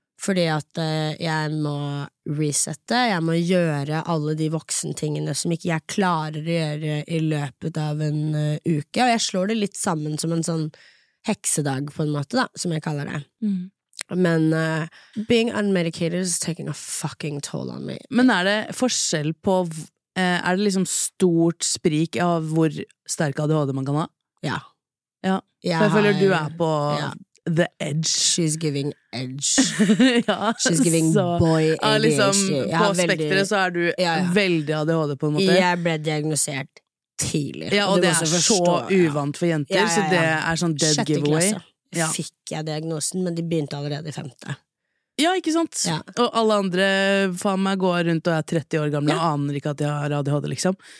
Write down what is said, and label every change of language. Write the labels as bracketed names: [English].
[Norwegian] fordi at jeg må resette, jeg må gjøre alle de voksentingene som ikke jeg klarer å gjøre I løpet av en uke, og jeg slår det litt sammen som en sånn heksedag på en måte da, som jeg kaller det. Mm. [English] Men being unmedicated is taking a fucking toll on me. [Norwegian] Men det forskjell på, det liksom stort sprik av hvor sterk ADHD man kan ha? Ja. Ja, for jeg føler du på... Ja. [English] The edge. She's giving edge. [Norwegian] ja, [English] She's giving så, boy ADHD. [Norwegian] Ja, liksom, på spektret så du veldig ADHD på en måte. Jeg ble diagnosert tidlig. Ja, og det så uvant for jenter, så det sånn dead Sjette giveaway. Sjette klasse fikk jeg diagnosen, men de begynte allerede I 5. Ja, ikke sant? Ja. Og alle andre, faen meg, går rundt og 30 år gamle og aner ikke at de har ADHD, liksom.